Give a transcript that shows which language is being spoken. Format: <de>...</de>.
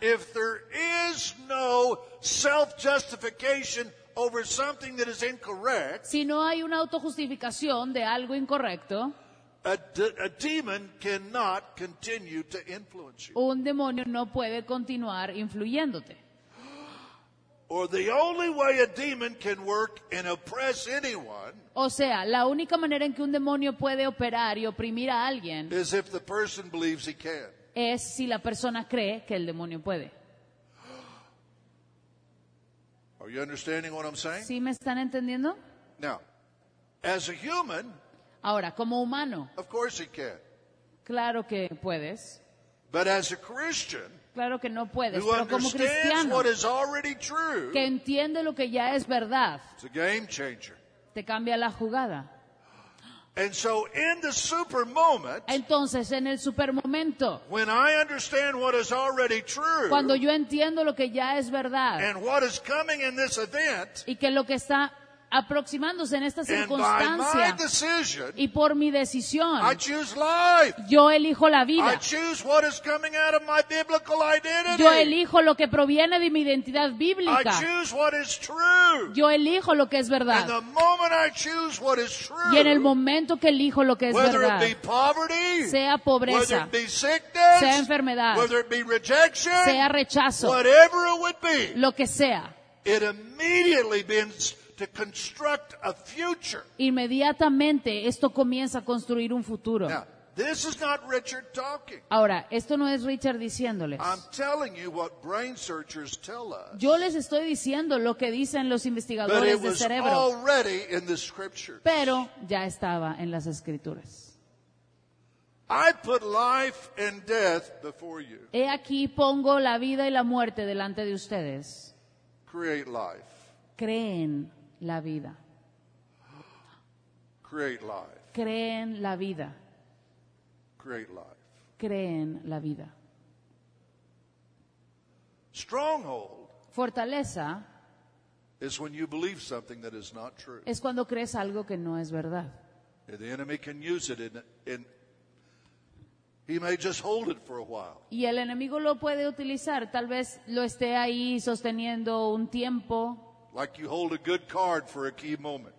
<en>if there is no self-justification over something that is incorrect,</en> <es>si no hay una autojustificación de algo incorrecto,</es> <en>a demon cannot continue to influence you.</en> <es>Un demonio no puede continuar influyéndote.</es> <en>Or the only way a demon can work and oppress anyone.</en> <es>O sea, la única manera en que un demonio puede operar y oprimir a alguien</es> <en>is if the person believes he can.</en> <es>Es si la persona cree que el demonio puede.</es> <en>Are you understanding what I'm saying?</en> <es>¿Sí me están entendiendo?</es> <en>Now, as a human,</en> <es>ahora, como humano,</es> <en>of course he can.</en> <es>Claro que puedes.</es> <en>But as a Christian,</en> <es>claro que no puedes.</es> <en>Who</en> <es>pero como cristiano,</es> <en>what is already true,</en> <es>que entiende lo que ya es verdad,</es> <en>it's a game changer.</en> <es>Te cambia la jugada.</es> <en>And so in the super moment,</en> <es>entonces, en el super momento,</es> <en>when I understand what is already true,</en> <es>cuando yo entiendo lo que ya es verdad,</es> <en>and what is coming in this event,</en> <es>y que lo que está aproximándose en esta circunstancia,</es> <en>and by my decision,</en> <es>y por mi decisión,</es> <en>I choose life.</en> <es>Yo elijo la vida.</es> <en>I choose what is coming out of my biblical identity.</en> <es>Yo elijo lo que proviene de mi identidad bíblica.</es> <en>I choose what is true.</en> <es>Yo elijo lo que es verdad.</es> <en>And the moment I choose what is true,</en> <es>y en el momento que elijo lo que es verdad,</es> <en>whether it be poverty,</en> <es>sea pobreza,</es> <en>whether it be sickness,</en> <es>sea enfermedad,</es> <en>whether it be rejection,</en> <es>sea rechazo,</es> <en>whatever it would be,</en> <es>lo que sea,</es> <en>it immediately begins to construct a future.</en> <es>Inmediatamente esto comienza a construir un futuro.</es> <en>Now, this is not Richard talking.</en> <es>Ahora, esto no es Richard diciéndoles.</es> <en>I'm telling you what brain searchers tell us.</en> <es>Yo les estoy diciendo lo que dicen los investigadores de cerebro.</es> <en>But it was already in the scriptures.</en> <es>Pero ya estaba en las escrituras.</es> <en>I put life and death before you.</en> <es>He aquí pongo la vida y la muerte delante de ustedes.</es> <en>Create life.</en> <es>Creen la vida.</es> <en>Create life.</en> <es>Creen la vida.</es> <en>Create life.</en> <es>Creen la vida.</es> <en>Stronghold.</en> <es>Fortaleza.</es> <en>Is when you believe something that is not true.</en> <es>Es cuando crees algo que no es verdad.</es> <en>The enemy can use it in he may just hold it for a while.</en> <es>Y el enemigo lo puede utilizar, tal vez lo esté ahí sosteniendo un tiempo.</es> <en>Like you hold a good card for a key moment.</en>